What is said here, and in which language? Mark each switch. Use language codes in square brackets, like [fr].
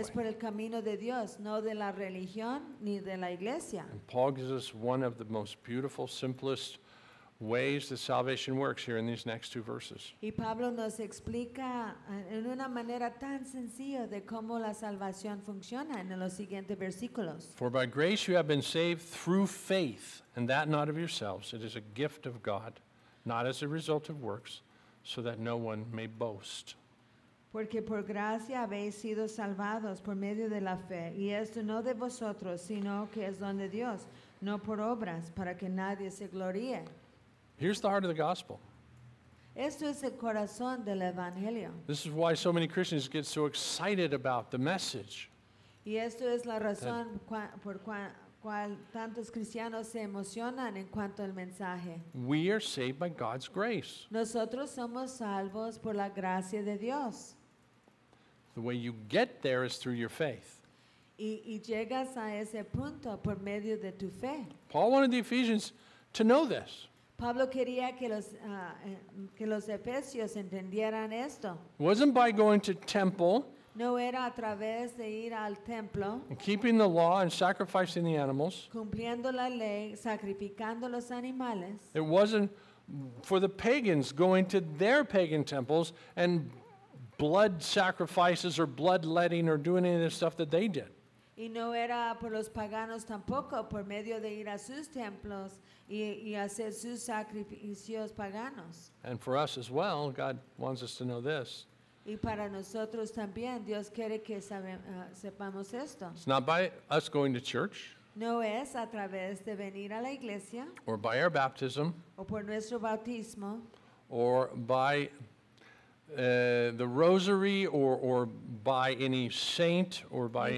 [es] Es por el camino de Dios, no de la religión ni de la iglesia. [en] And Paul gives us one of the most beautiful, simplest ways that salvation works here in these next two verses. [es] Y Pablo nos explica en una manera tan sencilla de cómo la salvación funciona en los siguientes versículos. [en] For by grace you have been saved through faith, and that not of yourselves. It is a gift of God, not as a result of works, so that no one may boast. [es] Porque por gracia habéis sido salvados por medio de la fe, y esto no de vosotros, sino que es don de Dios, no por obras, para que nadie se gloríe. [en] Here's the heart of the gospel. [es] Esto es el corazón del evangelio. [en] This is why so many Christians get so excited about the message. [es] Y esto es la razón por cual tantos cristianos se emocionan en cuanto al mensaje. [en] We are saved by God's grace. [es] Nosotros somos salvos por la gracia de Dios. [en] The way you get there is through your faith. [es] Y llegas a ese punto por medio de tu fe. [en] Paul wanted the Ephesians to know this. [es] Pablo quería que los efesios entendieran esto. [en] It wasn't by going to temple. [es] No era a través de ir al templo. [en] And keeping the law and sacrificing the animals. [es] Cumpliendo la ley, sacrificando los animales. [en] It wasn't for the pagans going to their pagan temples and blood sacrifices or bloodletting or doing any of the stuff that they did. [es] Y no era por los paganos tampoco, por medio de ir a sus templos y hacer sus sacrificios paganos. [en] And for us as well, God wants us to know this. [es] Y para nosotros también, Dios quiere que sepamos esto. [en] It's not by us going to church. [es] No es a través de venir a la iglesia. [en] Or by our baptism. [es] O por nuestro bautismo. [en] Or by the rosary or by any saint or by